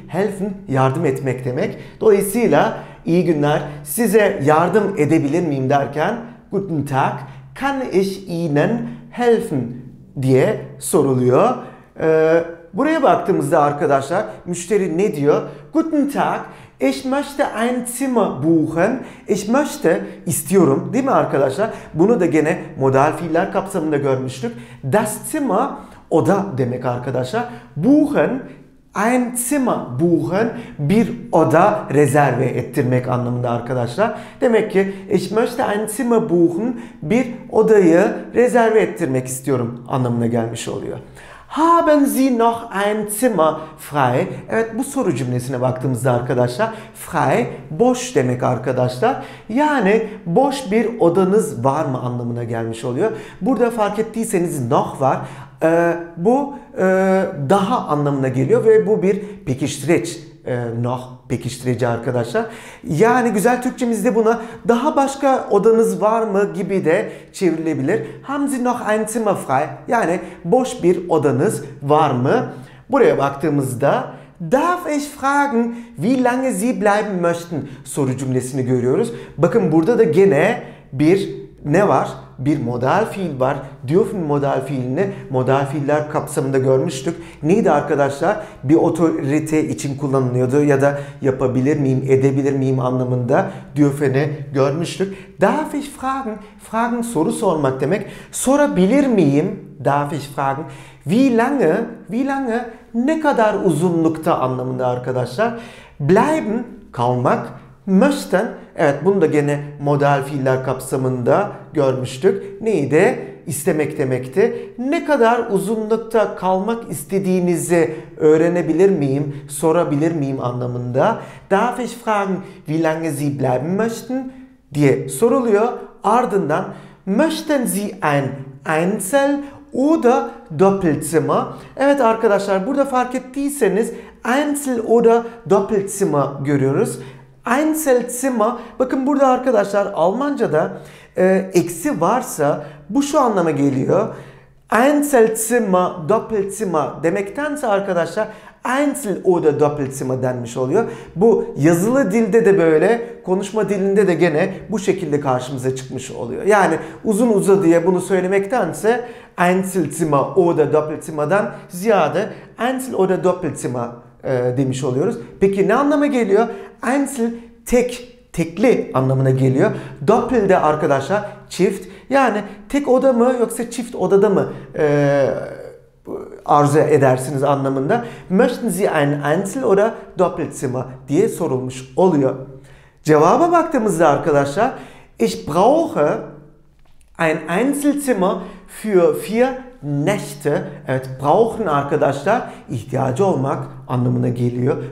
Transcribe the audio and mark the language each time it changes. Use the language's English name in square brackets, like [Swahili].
[Turkish] Helfen, yardım etmek demek. Dolayısıyla iyi günler, size yardım edebilir miyim derken [German] Guten Tag, kann ich Ihnen helfen [Turkish] diye soruluyor. Buraya baktığımızda arkadaşlar müşteri ne diyor? [German] Guten Tag, ich möchte ein Zimmer buchen. Ich möchte, [Turkish] istiyorum değil mi arkadaşlar? Bunu da gene modal fiiller kapsamında görmüştük. [German] Das Zimmer, [Turkish] oda demek arkadaşlar. Buchen, [German] ein Zimmer buchen, [Turkish] bir oda rezerve ettirmek anlamında arkadaşlar. Demek ki [German] ich möchte ein Zimmer buchen, [Turkish] bir odayı rezerve ettirmek istiyorum anlamına gelmiş oluyor. [German] Haben Sie noch ein Zimmer frei? [Turkish] Evet, bu soru cümlesine baktığımızda arkadaşlar frei, boş demek arkadaşlar. Yani boş bir odanız var mı anlamına gelmiş oluyor. Burada fark ettiyseniz noch var. Bu daha anlamına geliyor ve bu bir pekiştireç, noch pekiştirici arkadaşlar. Yani güzel Türkçemizde buna daha başka odanız var mı gibi de çevrilebilir. [German] Haben Sie noch ein Zimmer frei? [Turkish] Yani boş bir odanız var mı? Buraya baktığımızda [German] Darf ich fragen, wie lange Sie bleiben möchten? [Turkish] Soru cümlesini görüyoruz. Bakın burada da gene bir ne var? Bir modal fiil var. Dürfen modal fiilini modal fiiller kapsamında görmüştük. Neydi arkadaşlar? Bir otorite için kullanılıyordu ya da yapabilir miyim, edebilir miyim anlamında dürfen'i görmüştük. [German] Darf ich fragen? Fragen, [Turkish] soru sormak demek. Sorabilir miyim? [German] Darf ich fragen? Wie lange? Wie lange? [Turkish] Ne kadar uzunlukta anlamında arkadaşlar. Bleiben, kalmak. Möchten, evet bunu da gene modal fiiller kapsamında görmüştük. Neydi? İstemek demekti. Ne kadar uzunlukta kalmak istediğinizi öğrenebilir miyim, sorabilir miyim anlamında. [German] Darf ich fragen, wie lange Sie bleiben möchten? [Turkish] Diye soruluyor. [German] Ardından, möchten Sie ein Einzel oder Doppelzimmer? [Turkish] Evet arkadaşlar, burada fark ettiyseniz [German] Einzel oder Doppelzimmer [Turkish] görüyoruz. Einzelzimmer, bakın burada arkadaşlar Almanca'da eksi varsa bu şu anlama geliyor. Einzelzimmer, Doppelzimmer demektense arkadaşlar [German] Einzel oder Doppelzimmer [Turkish] denmiş oluyor. Bu yazılı dilde de böyle, konuşma dilinde de gene bu şekilde karşımıza çıkmış oluyor. Yani uzun uzadıya bunu söylemektense [German] Einzelzimmer oder Doppelzimmer'dan [Turkish] ziyade [German] Einzel oder Doppelzimmer [Turkish] demiş oluyoruz. Peki ne anlama geliyor? Einzel, tek, tekli anlamına geliyor. Doppel de arkadaşlar çift. Yani tek oda mı yoksa çift odada mı arzu edersiniz anlamında. [German] Möchten Sie ein Einzel oder Doppelzimmer [Turkish] diye sorulmuş oluyor. Cevaba baktığımızda arkadaşlar [German] Ich brauche ein Einzelzimmer für vier Nächte. [Turkish] Evet, brauchen arkadaşlar ihtiyacı olmak anlamına geliyor.